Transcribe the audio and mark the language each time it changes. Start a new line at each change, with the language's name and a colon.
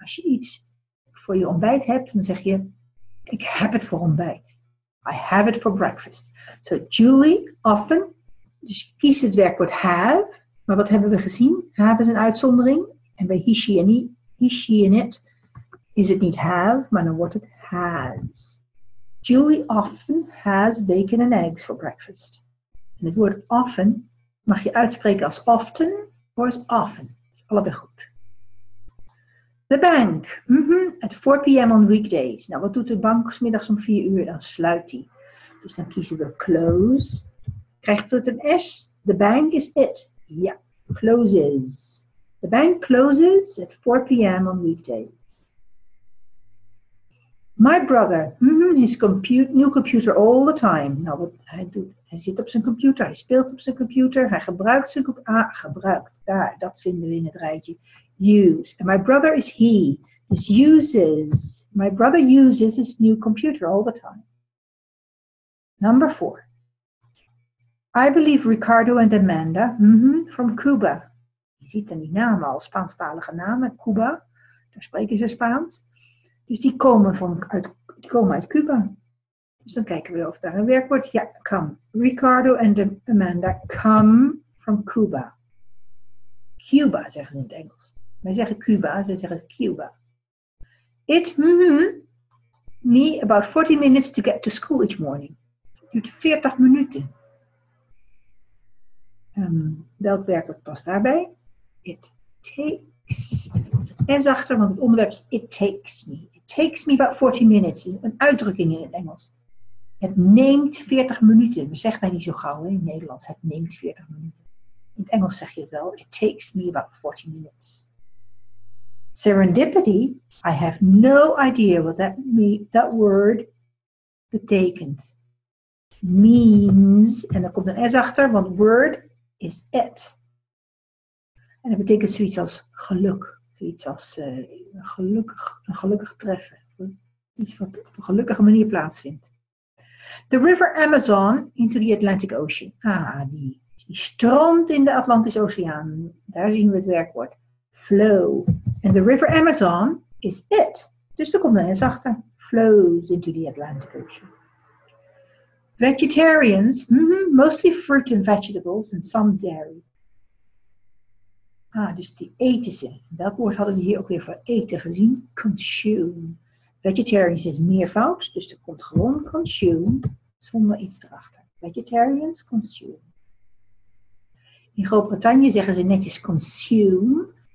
Dutch: Als je iets voor je ontbijt hebt, dan zeg je, ik heb het voor ontbijt.
English: I have it for breakfast. So Julie, often,
Dutch: dus kies het werkwoord
English: have.
Dutch: Maar wat hebben we gezien? Have is een uitzondering. En bij he, she en it, is het niet have, maar dan wordt het has.
English: Julie often has bacon and eggs for breakfast.
Dutch: En het woord often mag je uitspreken als often of als often. Dat is allebei goed.
English: The bank. At 4 p.m. on weekdays.
Dutch: Nou, wat doet de bank 's middags om 4 uur? Dan sluit die. Dus dan kiezen we close. Krijgt het een S?
English: The bank is it.
Dutch: Ja, closes.
English: The bank closes at 4 p.m. on weekdays. My brother, his new computer all the time.
Dutch: Nou, hij zit op zijn computer, hij speelt op zijn computer, hij gebruikt zijn computer. Ah, gebruikt, daar, dat vinden we in het rijtje.
English: Use. And my brother is he. Dus uses. My brother uses his new computer all the time. Number four. I believe Ricardo and Amanda, from Cuba.
Dutch: Je ziet dan die namen al, Spaanstalige namen, Cuba. Daar spreken ze Spaans. Dus die komen uit Cuba. Dus dan kijken we of daar een werkwoord. Ja, come.
English: Ricardo and Amanda come from Cuba.
Dutch: Cuba, zeggen ze in het Engels. Wij zeggen Cuba, ze zeggen Cuba.
English: It me about 40 minutes to get to school each morning.
Dutch: Het duurt 40 minuten. Welk werkwoord past daarbij?
English: It takes.
Dutch: En zachter, want het onderwerp is
English: it takes me. It takes me about 40 minutes.
Dutch: Is een uitdrukking in het Engels. Het neemt 40 minuten. We zeggen dat niet zo gauw in het Nederlands. Het neemt 40 minuten. In het Engels zeg je het wel.
English: It takes me about 40 minutes. Serendipity, I have no idea what that word betekent.
Dutch: Means, en dan komt een S achter, want word is it. En dat betekent zoiets als geluk. Iets als een gelukkig treffen. Iets wat op een gelukkige manier plaatsvindt.
English: The river Amazon into the Atlantic Ocean.
Dutch: Ah, die stroomt in de Atlantische Oceaan. Daar zien we het werkwoord.
English: Flow. And the river Amazon is it.
Dutch: Dus er komt een S achter.
English: Flows into the Atlantic Ocean. Vegetarians, mostly fruit and vegetables and some dairy.
Dutch: Ah, dus die eten ze. Welk woord hadden we hier ook weer voor eten gezien? Consume. Vegetarians is meervoud, dus er komt gewoon consume zonder iets erachter. Vegetarians, consume. In Groot-Brittannië zeggen ze netjes consume.